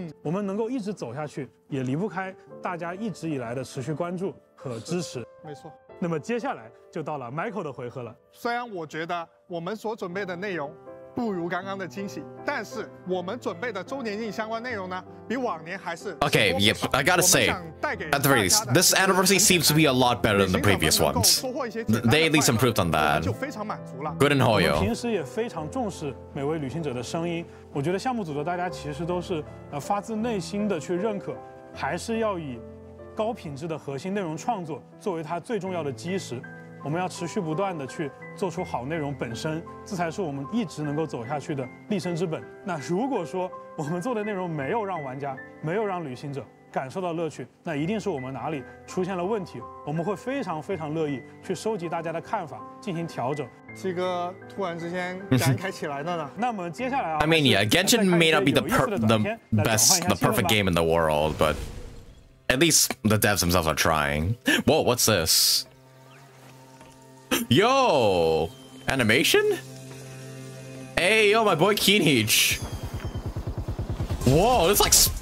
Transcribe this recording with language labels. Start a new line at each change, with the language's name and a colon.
Chinese: 我们能够一直走下去也离不开大家一直以来的持续关注和支持。没错。那么接下来就到了 Michael 的回合了。虽然我觉得我们所准备的内容不如刚刚的惊喜，但是我们准备的周年庆相关内容呢，比往年还是。
English: Okay, yep. I gotta say, at the very least, this anniversary seems to be a lot better than the previous ones. They at least improved on that.
Chinese: 就非常满足了。
English: Good and hoyo.
Chinese: 平时也非常重视每位旅行者的声音。我觉得项目组的大家其实都是发自内心的去认可，还是要以高品质的核心内容创作作为它最重要的基石。我们要持续不断地去做出好内容本身，这才是我们一直能够走下去的立身之本。那如果说我们做的内容没有让玩家，没有让旅行者感受到乐趣，那一定是我们哪里出现了问题。我们会非常非常乐意去收集大家的看法进行调整。七哥突然之间感慨起来了呢。那么接下来啊，
English: I mean, yeah, Genshin may not be the perfect game in the world, but at least the devs themselves are trying. Whoa, what's this? Yo! Animation? Hey, yo, my boy Kinich! Whoa, this is like.